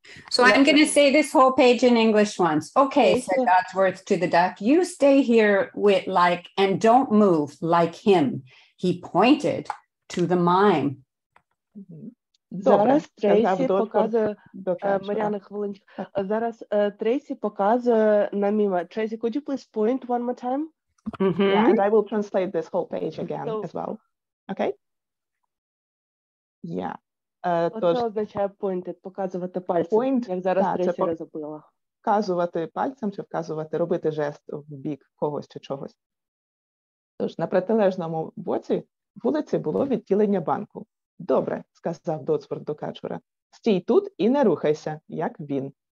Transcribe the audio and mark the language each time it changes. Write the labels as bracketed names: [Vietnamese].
[English] So I'm going to say this whole page in English once. Okay, said Dodsworth to the duck. You stay here with like and don't move like him. He pointed to the mime. [Ukrainian] Зараз Трейсі показує Маріана хвилинку. Зараз Трейсі показує на міма. [English] Трейсі, could you please point one more time? Mm-hmm. Yeah, and I will translate this whole page again as well. Okay? Yeah. [Ukrainian] Що означає pointed? Показувати пальцем, point, як зараз Трейсі розробила. Вказувати пальцем чи вказувати, робити жест в бік когось чи чогось. Тож, на протилежному боці вулиці було відділення банку. Добре, сказав Дотсворт до качура. Стій тут і не рухайся, як він.